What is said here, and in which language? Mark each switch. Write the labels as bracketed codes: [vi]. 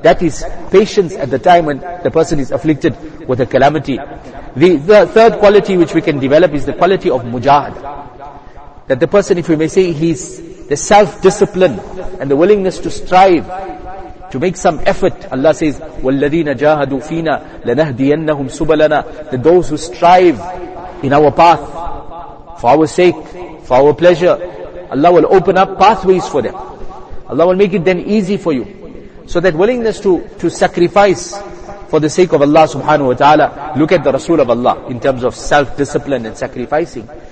[en] That is patience at the time when the person is afflicted with a calamity. The third quality which we can develop is the quality of mujahad. That the person, if we may say, he's the self-discipline and the willingness to strive, to make some effort. Allah says, [ar] وَالَّذِينَ جَاهَدُوا فِينا لَنَهْدِيَنَّهُمْ سُبَلَنَا. [en] That those who strive in our path, for our sake, for our pleasure, Allah will open up pathways for them. Allah will make it then easy for you. So that willingness to sacrifice for the sake of Allah subhanahu wa ta'ala, look at the Rasul of Allah in terms of self-discipline and sacrificing.